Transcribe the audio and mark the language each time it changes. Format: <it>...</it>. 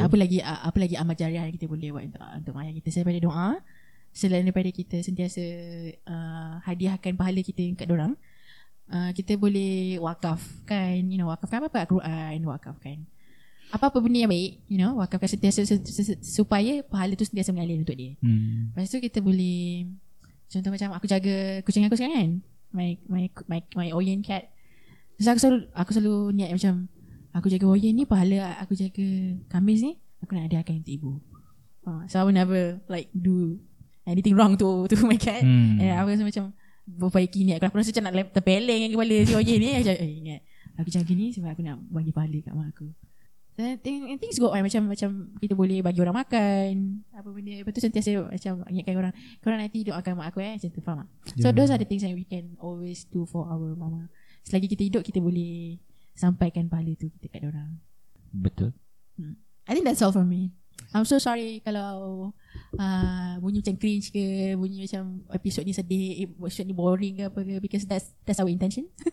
<ms>Macam apa lagi amal jariah yang kita boleh buat untuk mak ayah kita. Selain daripada doa, selain daripada kita sentiasa hadiahkan pahala kita kat dorang, kita boleh wakafkan,</ms> <en>you know,</en> <ms>wakafkan apa-apa, Al-Quran, wakafkan apa-apa benda yang baik, you know, wakafkan sentiasa supaya pahala tu sentiasa mengalir untuk dia. Lepas tu kita boleh contoh macam aku jaga kucing aku sekarang kan,</ms> <en>my Oyen cat.</en> <ms>So aku selalu niat macam, aku jaga Oyen ni pahala, aku jaga Kamis ni aku nak hadiahkan untuk ibu.</ms> <en>So I will never like do anything wrong to my cat.</en> <ms>And aku rasa macam berbaiki niat. Aku rasa macam nak terpeleng kepala si Oyen ni. Aku jaga ni sebab aku nak bagi pahala kat mak aku.</ms> <en>So things go on.</en> <ms>Macam kita boleh bagi orang makan apa benda. Lepas tu sentiasa macam ingatkan orang, korang nanti doakan mak aku eh. Macam tu, faham tak?</ms> <en>So those are the things that we can always do for our mama.</en> <ms>Selagi kita hidup, kita boleh sampaikan pahala tu kita kat orang. Betul.</ms> <en>I think that's all for me. I'm so sorry</en> <ms>kalau bunyi macam cringe ke, bunyi macam episode ni sedih, episode ni boring ke apa ke,</ms> <en>because that's our intention.</en>